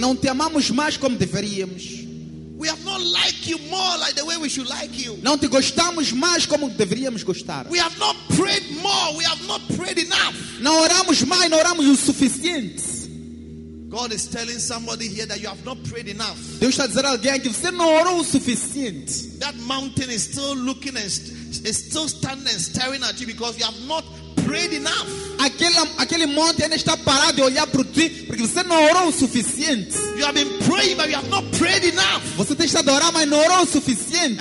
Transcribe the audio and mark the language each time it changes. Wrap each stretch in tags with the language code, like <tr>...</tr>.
<pt>Não te amamos mais como deveríamos.</pt> <en>We have not liked you more like the way we should like you.</en> <pt>Não te gostamos mais como deveríamos gostar.</pt> <en>We have not prayed more. We have not prayed enough.</en> <pt>Não oramos mais, não oramos o suficiente.</pt> <en>God is telling somebody here that you have not prayed enough.</en> <pt>Deus está dizendo a alguém que você não orou o suficiente.</pt> <en>That mountain is still looking and is still standing and staring at you because you have not prayed enough.</en> <pt>Aquele monte ainda está parado a olhar para ti porque você não orou o suficiente.</pt> <en>You have been praying, but you have not prayed enough.</en> <pt>Você tem estado orando, mas não orou o suficiente.</pt>